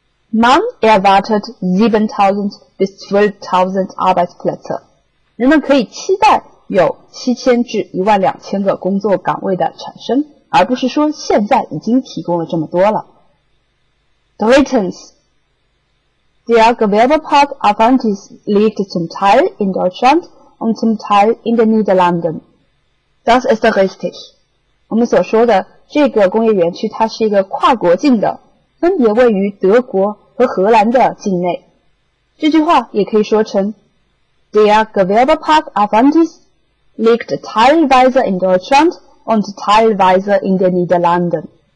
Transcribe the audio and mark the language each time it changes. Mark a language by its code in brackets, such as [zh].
[de] Man erwartet 7000 bis 12000 Arbeitsplätze. [zh] 人们可以期待有7000至12000个工作岗位的产生，而不是说现在已经提供了这么多了。 [de] Drittens,Der Gewerbepark Avantis liegt zum Teil in Deutschland und zum Teil in den Niederlanden. Das ist richtig. [zh] 我们所说的这个工业园区它是一个跨国境的，分别位于德国和荷兰的境内。这句话也可以说成 [de] Der Gewerbepark Avantis liegt teilweise in Deutschland und teilweise in den Niederlanden.